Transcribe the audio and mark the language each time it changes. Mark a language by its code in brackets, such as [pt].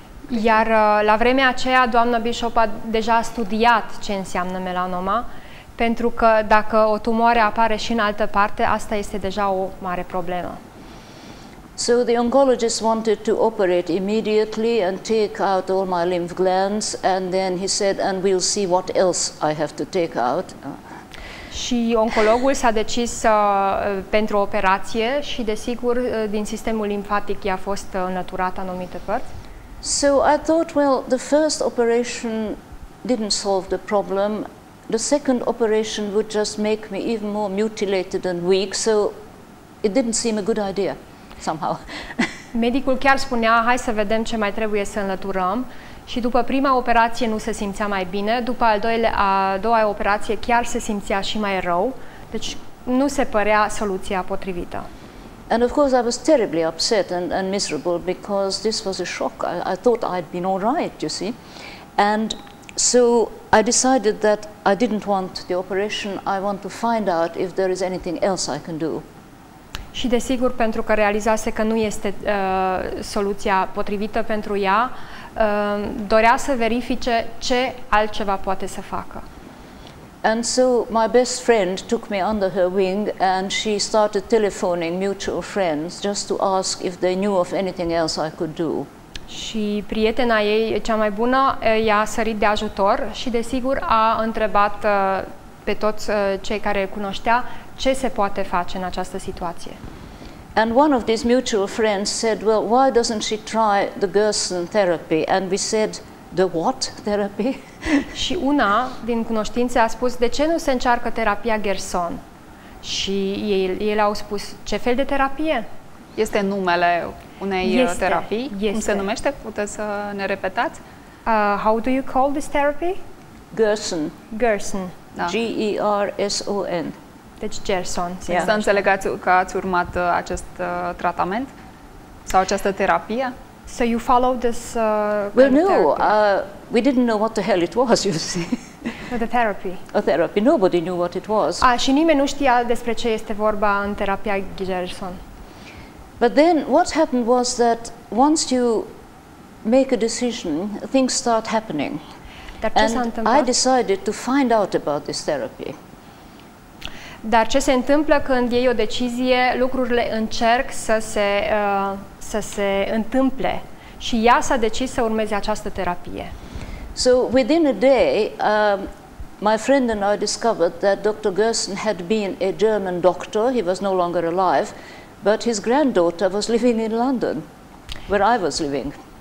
[ro] Iar la vremea aceea doamna Bishop a deja studiat ce înseamnă melanoma, pentru că dacă o tumoare apare și în altă parte, asta este deja o mare problemă. [en] So the oncologist wanted to operate immediately and take out all my lymph glands, and then he said, and we'll see what else I have to take out. [ro] Și oncologul s-a decis pentru o operație și desigur din sistemul limfatic i-a fost înlăturată anumite părți. [en] So I thought, well, the first operation didn't solve the problem. The second operation would just make me even more mutilated and weak, so it didn't seem a good idea, somehow. [ro] Medicul chiar spunea, hai să vedem ce mai trebuie să înlăturăm. Și după prima operație nu se simțea mai bine, după a doua operație chiar se simțea și mai rău. Deci nu se părea soluția potrivită. [en] And of course I was terribly upset and miserable because this was a shock. I thought I'd been all right, you see. And so I decided that I didn't want the operation. I want to find out if there is anything else I can do. [ro] Și desigur, pentru că realizase că nu este soluția potrivită pentru ea, dorea să verifice ce altceva poate să facă. [en] And so my best friend took me under her wing and she started telephoning mutual friends just to ask if they knew of anything else I could do. [ro] Și prietena ei, cea mai bună, i-a sărit de ajutor și desigur a întrebat pe toți cei care îl cunoștea ce se poate face în această situație. [en] And one of these mutual friends said, well, why doesn't she try the Gerson therapy? And we said, the what therapy? [ro] Și una din cunoștințe a spus, de ce nu se încearcă terapia Gerson? Și ei au spus, ce fel de terapie? Este numele unei terapii. Cum se numește? Puteți să ne repetați? [en] How do you call this therapy? Gerson. Gerson. [ro] Da. G-E-R-S-O-N. Deci Gerson. Să înțelegați că ați urmat acest tratament sau această terapie? [en] So you followed this Well, no. We didn't know what the hell it was, you see. The therapy. A therapy. Nobody knew what it was. [ro] Și nimeni nu știa despre ce este vorba în terapia Gerson. [en] But then what happened was that once you make a decision, things start happening. [ro] Dar ce s-a întâmplat? [en] I decided to find out about this therapy. [ro] Dar ce se întâmplă când iei o decizie, lucrurile încerc să se, să se întâmple. Și ea s-a decis să urmeze această terapie. [en] So, within a day, my friend and I discovered that Dr. Gerson had been a German doctor, he was no longer alive, but his granddaughter was living in London, where I was living.